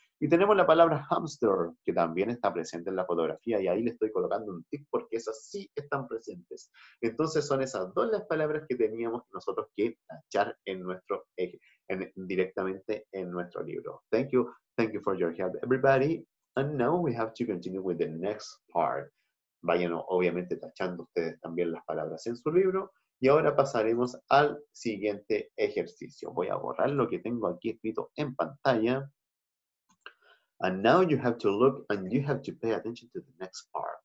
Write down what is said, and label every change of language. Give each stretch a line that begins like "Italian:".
Spanish: Y tenemos la palabra hamster, que también está presente en la fotografía. Y ahí le estoy colocando un tick porque esas sí están presentes. Entonces son esas dos las palabras que teníamos nosotros que tachar en nuestro eje, directamente en nuestro libro.
English: Thank you for your help, everybody. And now we have to continue with the next part.
Spanish: Vayan obviamente tachando ustedes también las palabras en su libro. Y ahora pasaremos al siguiente ejercicio. Voy a borrar lo que tengo aquí escrito en pantalla.
English: And now you have to look and you have to pay attention to the next part.